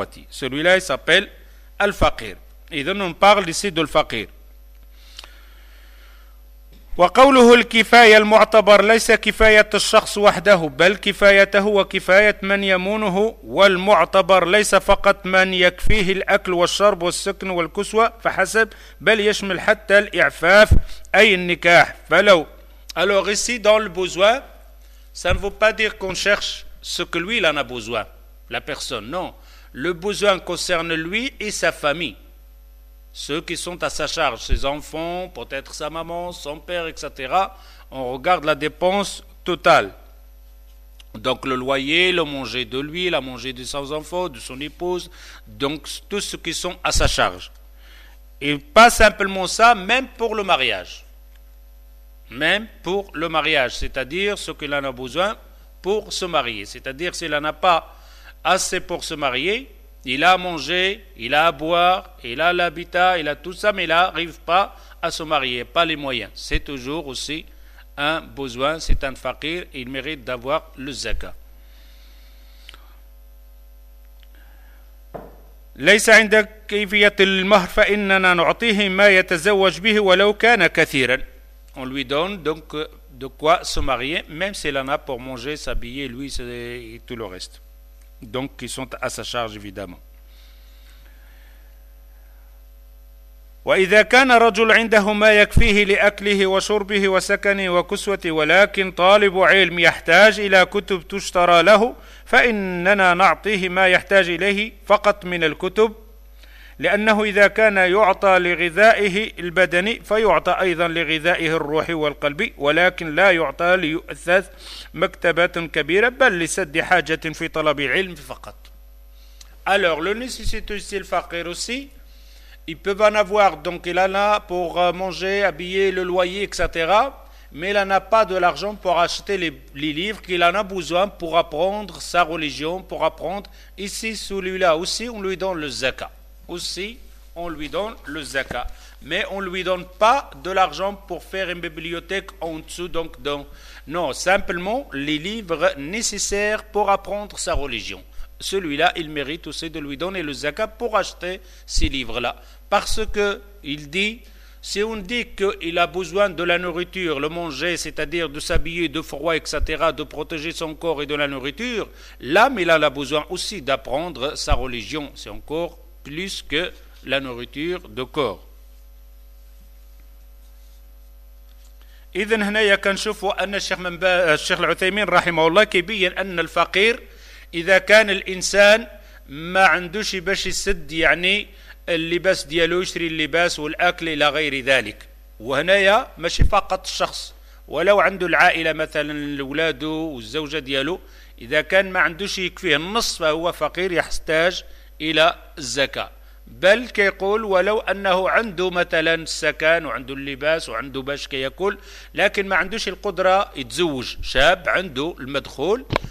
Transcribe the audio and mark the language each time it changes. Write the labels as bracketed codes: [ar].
[fr] Celui-là, il s'appelle al-faqir. Et donc, on parle ici de al-faqir. [ar] وقوله الكفاية المعتبر ليس كفاية الشخص وحده بل كفايته وكفاية من يمونه والمعتبر ليس فقط من يكفيه الأكل والشرب والسكن والكسوة فحسب بل يشمل حتى الإعفاف أي النكاح فلو [fr] Alors ici, dans le besoin, ça ne veut pas dire qu'on cherche ce que lui, il en a besoin, la personne, non. Le besoin concerne lui et sa famille, ceux qui sont à sa charge, ses enfants, peut-être sa maman, son père, etc. On regarde la dépense totale. Donc le loyer, le manger de lui, la manger de ses enfants, de son épouse, donc tous ceux qui sont à sa charge. Et pas simplement ça, même pour le mariage. Même pour le mariage, c'est-à-dire ce qu'il en a besoin pour se marier. C'est-à-dire s'il n'en a pas assez pour se marier, il a à manger, il a à boire, il a l'habitat, il a tout ça, mais il n'arrive pas à se marier, pas les moyens. C'est toujours aussi un besoin, c'est un fakir, il mérite d'avoir le zakat. [ar] ليس عند كيفية المهر فإننا نعطيه ما يتزوج به ولو كان كثيرا. [fr] On lui donne donc de quoi se marier, même s'il en a pour manger, s'habiller, lui et tout le reste. Donc, ils sont à sa charge, évidemment. [ar] وإذا كان رجل عنده ما يكفيه لأكله وشربه وسكنه وكسوته ولكن طالب علم يحتاج إلى كتب تشترى له فإننا نعطيه ما يحتاج إليه فقط من الكتب لأنه إذا كان يعطى لغذائه البدني فيعطى أيضا لغذائه الروحي والقلبي ولكن لا يعطى ليؤسس مكتبة كبيرة بل لسد حاجة في طلب علم فقط. [fr] Alors le nécessiteux c'est le fakir aussi Ils peuvent en avoir, donc il en a pour manger, habiller, le loyer, etc. Mais il n'a pas de l'argent pour acheter les livres qu'il en a besoin pour apprendre sa religion, pour apprendre. Ici, celui-là aussi, on lui donne le zakat. Aussi, on lui donne le zakat. Mais on ne lui donne pas de l'argent pour faire une bibliothèque en dessous. Non, simplement les livres nécessaires pour apprendre sa religion. Celui-là, il mérite aussi de lui donner le zakat pour acheter ces livres-là. Parce que il dit, si on dit qu'il a besoin de la nourriture, le manger, c'est-à-dire de s'habiller, de froid, etc., de protéger son corps et de la nourriture, l'âme, il a besoin aussi d'apprendre sa religion. C'est encore plus que la nourriture de corps. [ar] إذن هنا كنشوفوا أن الشيخ من الشيخ العثيمين رحمه الله كيبين أن الفقير إذا كان الإنسان ما عندوش باش يسد يعني اللباس ديالو يشري اللباس والأكل إلى غير ذلك وهنا ماشي فقط الشخص ولو عنده العائلة مثلا لولاده والزوجة ديالو إذا كان ما عندوش يكفيه النص فهو فقير يحتاج إلى الزكاة بل كيقول ولو أنه عنده مثلا السكن وعنده اللباس وعنده باش كياكل لكن ما عندوش القدرة يتزوج شاب عنده المدخول